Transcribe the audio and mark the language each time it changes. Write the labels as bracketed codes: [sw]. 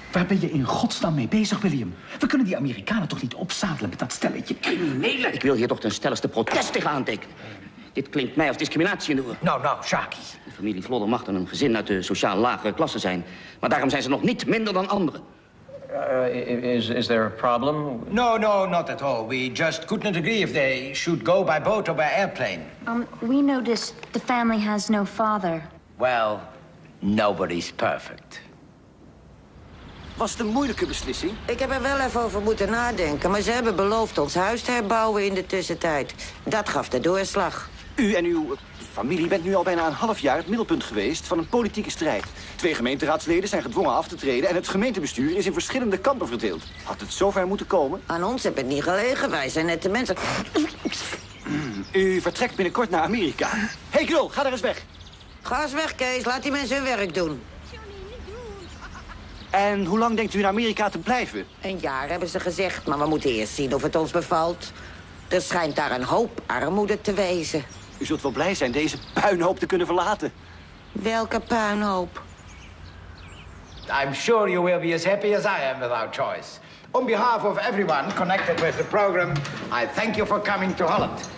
[nl] Waar ben je in godsnaam mee bezig, William? We kunnen die Amerikanen toch niet opzadelen met dat stelletje criminelen? Ik wil hier toch ten stelligste protest tegen aantekenen. Dit klinkt mij als discriminatie in de oor. Nou, Sjaki. De familie Vlodder mag dan een gezin uit de sociaal lagere klasse zijn. Maar daarom zijn ze nog niet minder dan anderen. [en] Is there a problem? No, not at all. We just couldn't agree if they should go by boat or by airplane. We noticed the family has no father. Well, nobody's perfect. [nl] Was het een moeilijke beslissing? Ik heb er wel even over moeten nadenken, maar ze hebben beloofd ons huis te herbouwen in de tussentijd. Dat gaf de doorslag. U en uw familie bent nu al bijna een half jaar het middelpunt geweest van een politieke strijd. Twee gemeenteraadsleden zijn gedwongen af te treden en het gemeentebestuur is in verschillende kampen verdeeld. Had het zover moeten komen? Aan ons heb het niet gelegen, wij zijn net de mensen. U vertrekt binnenkort naar Amerika. Hey Krul, ga daar eens weg. Ga eens weg, Kees, laat die mensen hun werk doen. En hoe lang denkt u in Amerika te blijven? Een jaar, hebben ze gezegd. Maar we moeten eerst zien of het ons bevalt. Er schijnt daar een hoop armoede te wezen. U zult wel blij zijn deze puinhoop te kunnen verlaten. Welke puinhoop? [en] I'm sure you will be as happy as I am without choice. On behalf of everyone connected with the program, I thank you for coming to Holland.